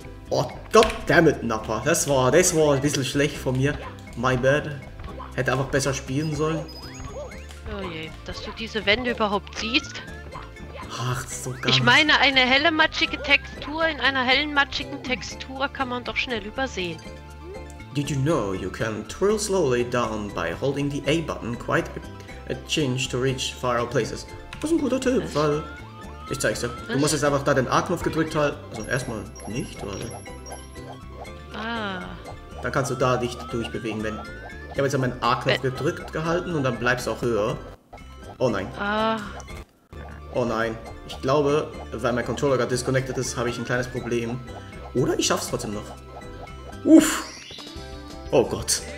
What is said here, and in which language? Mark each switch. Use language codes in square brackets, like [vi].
[en] Oh, goddammit, [de] Nappa. Das war ein bisschen schlecht von mir. [en] My bad. [de] Hätte einfach besser spielen sollen. Oh je, dass du diese Wände überhaupt siehst. Ach, so geil. Ich meine, eine helle, matschige Textur in einer hellen, matschigen Textur kann man doch schnell übersehen. [en] Did you know you can twirl slowly down by holding the A-Button quite a change to reach far out places? [de] Das ist ein guter Tipp, weil... Ich zeig's dir. Du musst jetzt einfach da den A-Knopf gedrückt halten. Also erstmal nicht, oder? Dann kannst du da dich durchbewegen, wenn... Ich habe jetzt meinen A-Knopf gedrückt gehalten und dann bleibst du auch höher. Oh nein. Ich glaube, weil mein Controller gerade disconnected ist, habe ich ein kleines Problem. Oder ich schaff's trotzdem noch. Uff. Oh Gott.